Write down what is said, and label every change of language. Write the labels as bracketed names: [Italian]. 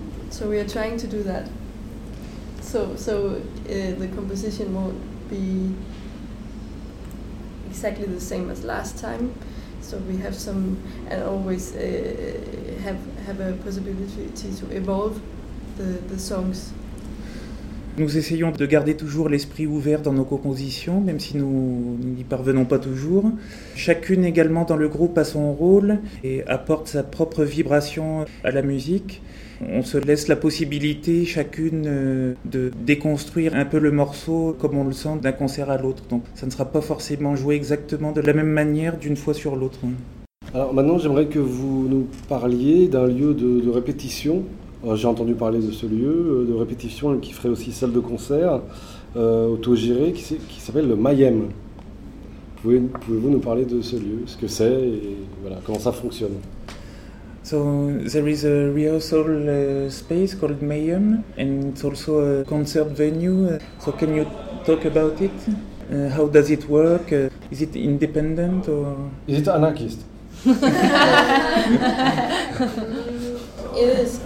[English] So we are trying to do that. So the composition won't be exactly the same as last time. So we have some, and always have a possibility to evolve the songs. [French] Nous essayons de garder toujours l'esprit ouvert dans nos compositions, même si nous n'y parvenons pas toujours. Chacune également dans le groupe a son rôle et apporte sa propre vibration à la musique. On se laisse la possibilité chacune de déconstruire un peu le morceau comme on le sent d'un concert à l'autre. Donc ça ne sera pas forcément joué exactement de la même manière d'une fois sur l'autre. Alors maintenant j'aimerais que vous nous parliez d'un lieu de répétition. J'ai entendu parler de ce lieu de répétition qui ferait aussi salle de concert autogéré qui s'appelle le Mayhem. Pouvez-vous nous parler de ce lieu, ce que c'est et voilà, comment ça fonctionne? [English] So there is a rehearsal space called Mayhem, and it's also a concert venue. So can you talk about it? How does it work? Is it independent or is it anarchist? It is.